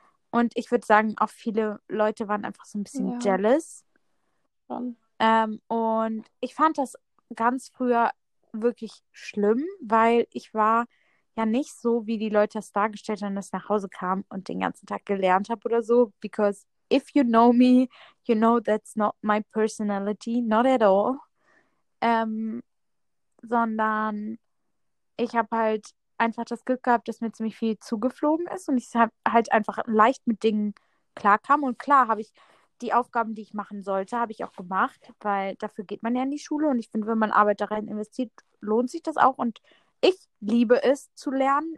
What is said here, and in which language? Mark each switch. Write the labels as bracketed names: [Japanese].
[German] Und ich würde sagen, auch viele Leute waren einfach so ein bisschen Ja, [English] jealous. [German] schon. Und ich fand das ganz früher wirklich schlimm, weil ich war ja nicht so, wie die Leute es dargestellt haben, dass ich nach Hause kam und den ganzen Tag gelernt habe oder so, [English] because if you know me, you know that's not my personality, not at all. [German] Sondern ich habe halt einfach das Glück gehabt, dass mir ziemlich viel zugeflogen ist und ich halt einfach leicht mit Dingen klarkam. Und klar habe ich die Aufgaben, die ich machen sollte, habe ich auch gemacht, weil dafür geht man ja in die Schule. Und ich finde, wenn man Arbeit da rein investiert, lohnt sich das auch. Und ich liebe es zu lernen.